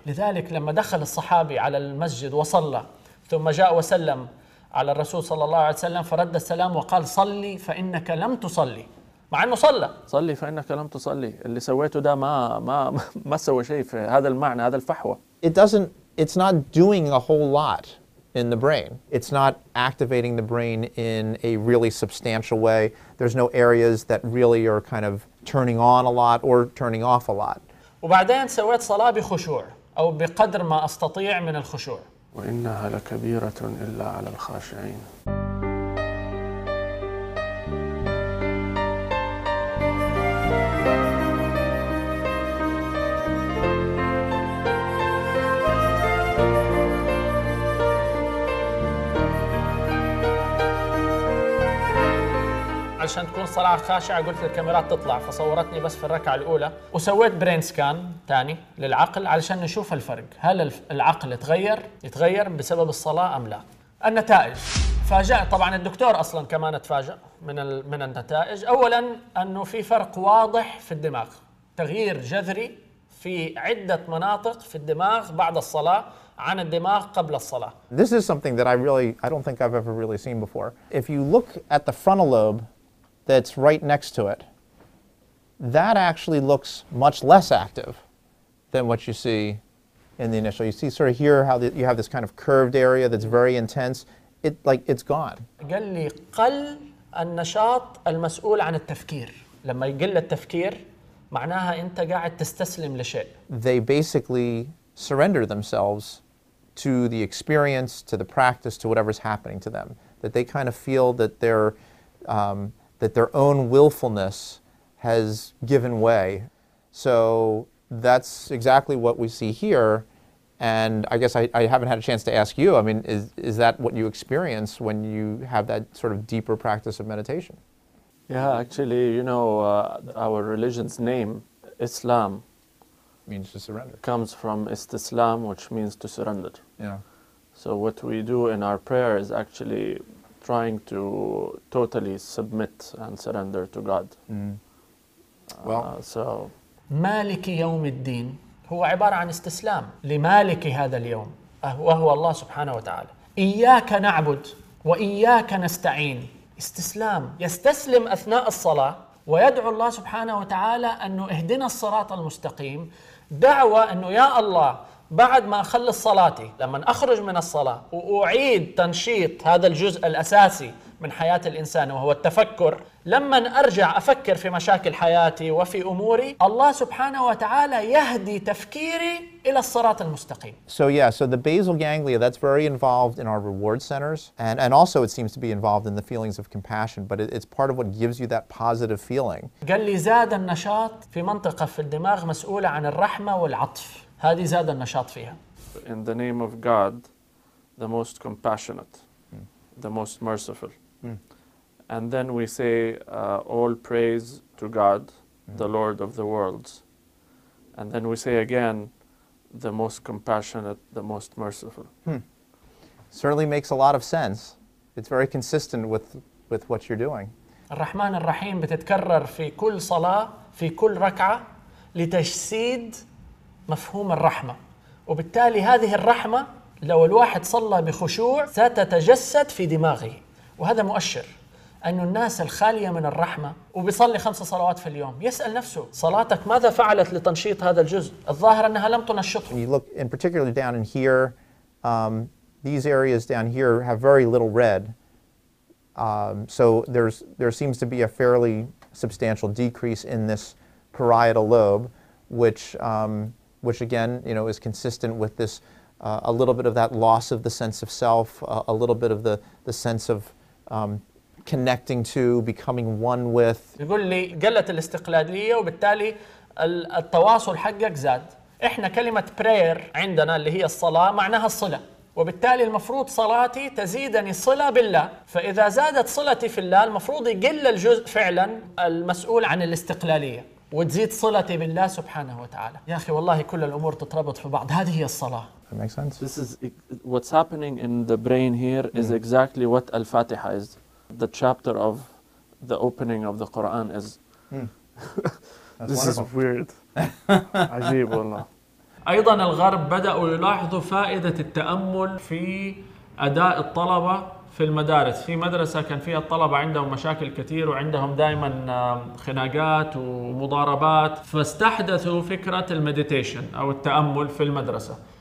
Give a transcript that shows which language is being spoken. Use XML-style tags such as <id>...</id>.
<ar>لذلك لما دخل الصحابي على المسجد وصلى ثم جاء وسلم على الرسول صلى الله عليه وسلم فرد السلام وقال صلي فإنك لم تصلي، مع أنه صلى، صلي فإنك لم تصلي، اللي سويته ده ما سوى شيء في هذا المعنى، هذا الفحوة.</ar> <en>It's not doing a whole lot in the brain. It's not activating the brain in a really substantial way. There's no areas that really are kind of turning on a lot or turning off a lot.</en> <ar>وبعدين سويت صلاة بخشوع أو بقدر ما أستطيع من الخشوع. وإنها لكبيرة إلا على الخاشعين. عشان تكون صلاة خاشعة قلت الكاميرات تطلع فصورتني بس في الركعة الأولى، وسويت</ar> <en>brain scan</en> <ar>تاني للعقل علشان نشوف الفرق، هل العقل يتغير بسبب الصلاة أم لا. النتائج فاجأ طبعا الدكتور أصلا كمان تفاجأ من النتائج. أولا أنه في فرق واضح في الدماغ، تغيير جذري في عدة مناطق في الدماغ بعد الصلاة عن الدماغ قبل الصلاة.</ar> <en>This is something that I don't think I've ever really seen before. If you look at the frontal lobe that's right next to it, that actually looks much less active than what you see in the initial. You see sort of here how the, you have this kind of curved area that's very intense. It like it's gone.</en> <ar>قال لي قل النشاط المسؤول عن التفكير. لما يقل التفكير معناها انت قاعد تستسلم لشيء.</ar> <en>They basically surrender themselves to the experience, to the practice, to whatever's happening to them. That they kind of feel that their own willfulness has given way. So that's exactly what we see here. And I guess I haven't had a chance to ask you. I mean, is that what you experience when you have that sort of deeper practice of meditation? Yeah, actually, you know, our religion's name, Islam, means to surrender. Comes from istislam, which means to surrender. Yeah. So what we do in our prayer is actually trying to totally submit and surrender to God. Mm. Well, so</en> <ar>مالك يوم الدين هو عبارة عن استسلام لمالك هذا اليوم وهو الله سبحانه وتعالى. إياك نعبد وإياك نستعين. استسلام يستسلم أثناء الصلاة ويدعو الله سبحانه وتعالى أنه اهدنا الصراط المستقيم. دعوة أنه يا الله بعد ما أخلص صلاتي لما أخرج من الصلاة وأعيد تنشيط هذا الجزء الأساسي من حياة الإنسان وهو التفكر، لما أرجع أفكر في مشاكل حياتي وفي أموري الله سبحانه وتعالى يهدي تفكيري إلى الصراط المستقيم.</ar> <en>So yeah, so the basal ganglia, that's very involved in our reward centers, and also it seems to be involved in the feelings of compassion, but it's part of what gives you that positive feeling.</en> <ar>قال لي زاد النشاط في منطقة في الدماغ مسؤولة عن الرحمة والعطف، هذه زاد النشاط فيها.</ar> <en>In the name of God, the most compassionate, the most merciful. Mm. And then we say all praise to God, the Lord of the worlds. And then we say again, the most compassionate, the most merciful. Hmm. Certainly makes a lot of sense. It's very consistent with what you're doing.</en> <ar>الرحمن الرحيم بتتكرر في كل صلاة في كل ركعة لتجسيد مفهوم الرحمة. وبالتالي هذه الرحمة لو الواحد صلى بخشوع ستتجسد في دماغه، وهذا مؤشر أن الناس الخالية من الرحمة وبيصلي 5 صلوات في اليوم يسأل نفسه صلاتك ماذا فعلت لتنشيط هذا الجزء؟ الظاهر أنها لم تنشطه.</ar> <en>You look in particularly down in here, these areas down here have very little red, so there seems to be a fairly substantial decrease in this parietal lobe, which again, you know, is consistent with this a little bit of that loss of the sense of self, a little bit of the sense of connecting to, becoming one with.</en> <ar>يقول لي قلت الاستقلالية وبالتالي التواصل حقك زاد. إحنا كلمة prayer عندنا اللي هي الصلاة معناها الصلة، وبالتالي المفروض صلاتي تزيدني صلة بالله، فإذا زادت صلتي في الله المفروض يقل الجزء فعلا المسؤول عن الاستقلالية وتزيد صلتي بالله سبحانه وتعالى. يا أخي والله كل الأمور تتربط في بعض، هذه هي الصلاة.</ar> <en>That makes sense. This is what's happening in the brain here is exactly what Al-Fatiha is. The chapter of the opening of the Quran is. This is weird.</en> <ar>عجيب والله. أيضا الغرب بدأوا يلاحظوا فائدة التأمل في أداء الطلبة في المدارس. في مدرسة كان فيها الطلبة عندهم مشاكل كثير وعندهم دائما خناقات ومضاربات، فاستحدثوا فكرة المديتيشن أو التأمل في المدرسة.</ar>